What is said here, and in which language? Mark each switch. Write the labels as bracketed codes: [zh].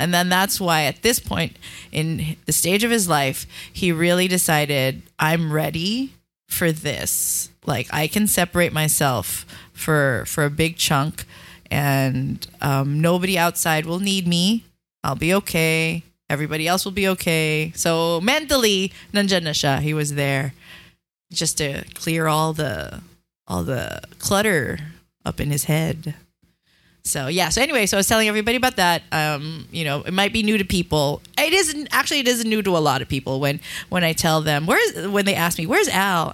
[en] And then that's why at this point in the stage of his life, he really decided, I'm ready for this. Like, I can separate myself for a big chunk, and nobody outside will need me. I'll be okay. Everybody else will be okay. [tl] So mentally, nandiyan na siya. [en] He was there just to clear all the clutter up in his head. So yeah. So anyway, so I was telling everybody about that. You know, it might be new to people. It is new to a lot of people when I tell them, when they ask me, where's Al?